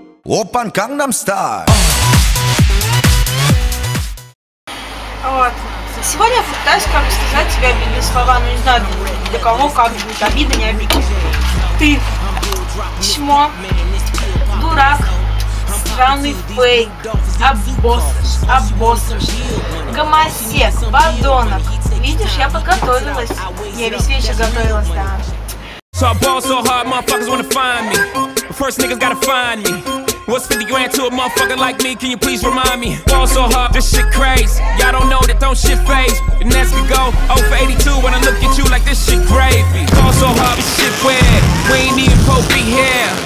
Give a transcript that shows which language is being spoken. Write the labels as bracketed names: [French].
[Russian] Опан, Gangnam Style. Сегодня я пытаюсь как бы сказать тебе обидные слова, но не знаю для кого как будет, обида не обида. Ты чмо, дурак, странный фейк, обоссаж, гомосек, подонок. Видишь, я подготовилась, я весь вечер готовилась, да. [English] So I ball so hard, motherfuckers wanna find me. First niggas gotta find me. What's 50 grand to a motherfucker like me? Can you please remind me? Ball so hard, this shit crazy. Y'all don't know that, don't shit phase. And as we go, 0 for 82 when I look at you like this shit gravy. Ball so hard, this shit weird. We ain't even supposed to be here.